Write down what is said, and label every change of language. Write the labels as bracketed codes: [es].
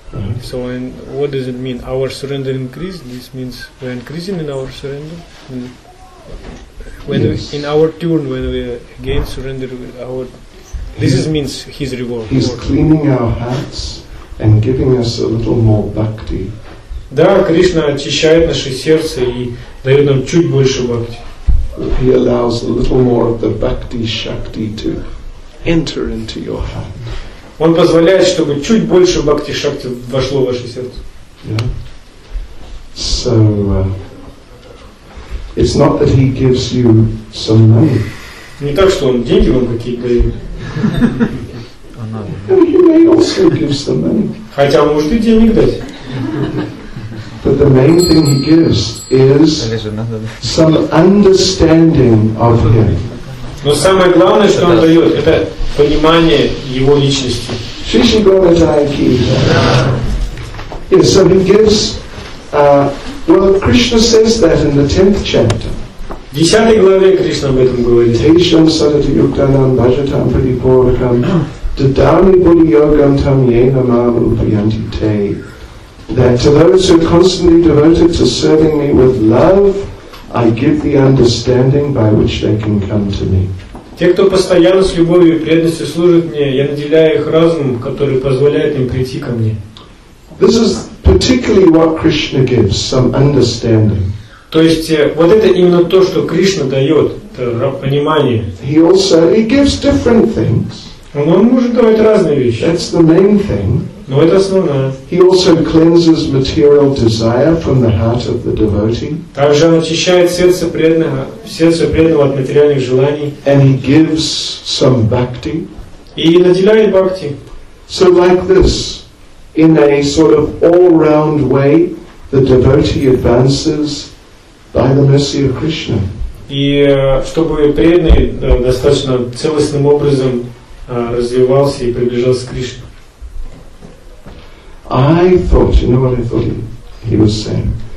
[en] Mm-hmm. So when, what does it mean? Our surrender increase? This means we're increasing in our surrender? When yes. In our turn, when we again surrender our, this is means his reward. He's cleaning our hearts and giving us a little more bhakti. [ru] Да, Кришна очищает наше сердце и дает нам чуть больше бхакти. [en] He allows a little more of the bhakti shakti to enter into your heart. [ru] Он позволяет, чтобы чуть больше бхакти шакти вошло в ваше сердце. [en] Yeah. So. It's not that he gives you some money. [ru] Не так, что он деньги вам какие-то дает. [en] But he may also give some money. [ru] Хотя может и денег дать. [en] But the main thing he gives is some understanding of him. [ru] Но самое главное, что он дает, это понимание его личности. Shishi Gomadayaki. [en] Yes, so he gives well, Krishna says that in the 10th chapter. [ru] В 10 главе Кришна об этом говорит. [sa] Тейшам садати юктанам бажатам прибхоракам дадами бодхи йогам там йена мам упьянти те. [en] That to those who are constantly devoted to serving me with love, I give the understanding by which they can come to me. [ru] Те, кто постоянно с любовью и преданностью служит мне, я наделяю их разумом, который позволяет им прийти ко мне. [en] This is particularly what Krishna gives, some understanding. [ru] То есть вот это именно то, что Кришна дает, понимание. [en] He also he gives different things. [ru] Он может давать разные вещи. [en] That's the main thing. [ru] Но это основное. [en] He also cleanses material desire from the heart of the devotee. [ru] Также он очищает сердце преданного от материальных желаний. [en] And he gives some bhakti. [ru] И наделяет бхакти. [en] So like this. In a sort of all-round way, the devotee advances by the mercy of Krishna. [ru] И чтобы преданный достаточно целостным образом развивался и приближался к Кришне. [en] I thought, you know what I thought he was saying?